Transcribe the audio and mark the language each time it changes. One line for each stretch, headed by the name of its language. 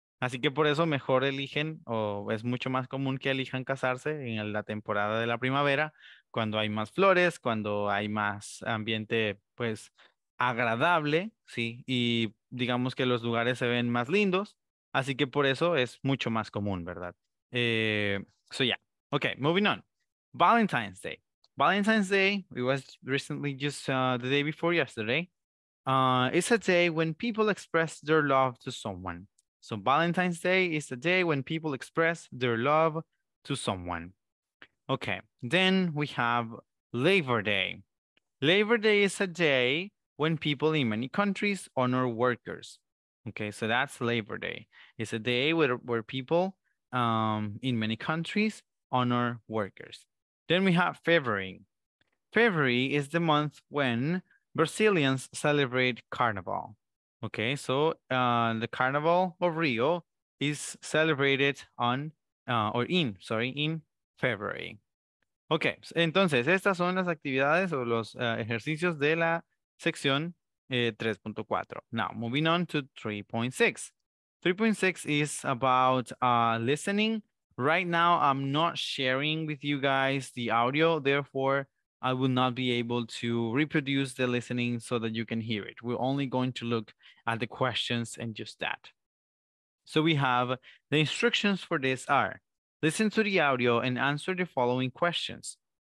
Spanish: Así que por eso mejor eligen, o es mucho más común que elijan casarse en la temporada de la primavera, cuando hay más flores, cuando hay más ambiente, pues, agradable, ¿sí? Y digamos que los lugares se ven más lindos, así que por eso es mucho más común, ¿verdad?
English: So, yeah. Okay, moving on. Valentine's Day. Valentine's Day, it was recently just the day before yesterday. It's a day when people express their love to someone. So, Valentine's Day is a day when people express their love to someone. Okay, then we have Labor Day. Labor Day is a day when people in many countries honor workers. Okay, so that's Labor Day. It's a day where people in many countries honor workers. Then we have February. February is the month when Brazilians celebrate Carnival. Okay, so the Carnival of Rio is celebrated in February.
Spanish: Okay, entonces estas son las actividades o los ejercicios de la sección 3.4.
English: Now, moving on to 3.6. 3.6 is about listening. Right now, I'm not sharing with you guys the audio. Therefore, I will not be able to reproduce the listening so that you can hear it. We're only going to look at the questions and just that. So we have the instructions for this are, listen to the audio and answer the following questions.